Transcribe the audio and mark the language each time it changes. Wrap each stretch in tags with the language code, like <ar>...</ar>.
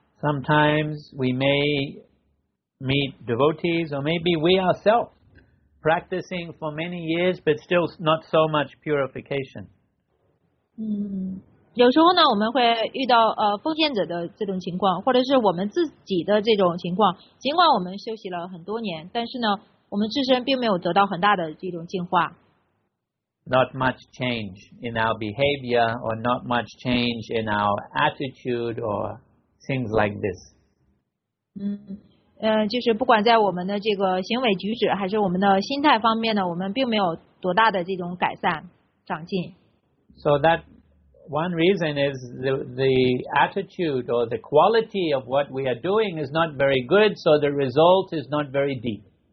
<en>Sometimes we may meet devotees, or maybe we ourselves practicing for many years, but still not so much purification.</en> <zh>有时候呢，我们会遇到奉献者的这种情况，或者是我们自己的这种情况。尽管我们修习了很多年，但是呢，我们自身并没有得到很大的这种净化。</zh> <en>Not much change in our behavior, or not much change in our attitude, or things like this.</en> <zh>就是不管在我们的这个行为举止，还是我们的心态方面呢，我们并没有多大的这种改善、长进。</zh> <en>So that one reason is the attitude or the quality of what we are doing is not very good, so the result is not very deep.</en>